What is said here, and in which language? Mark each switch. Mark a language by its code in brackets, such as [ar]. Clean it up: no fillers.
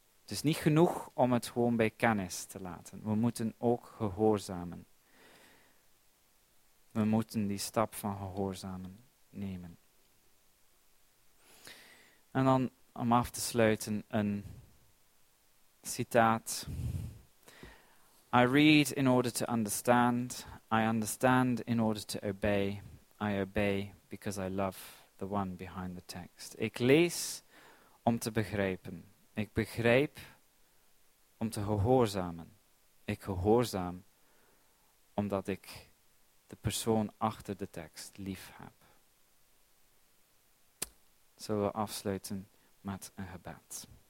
[nl] Het is niet genoeg om het gewoon bij kennis te laten. We moeten ook gehoorzamen. We moeten die stap van gehoorzamen nemen. En dan, om af te sluiten, een citaat. [en] I read in order to understand. I understand in order to obey. I obey because I love the one behind the text. [nl] Ik lees om te begrijpen. Ik begrijp om te gehoorzamen. Ik gehoorzaam omdat ik de persoon achter de tekst lief heb. Zullen we afsluiten met een gebed?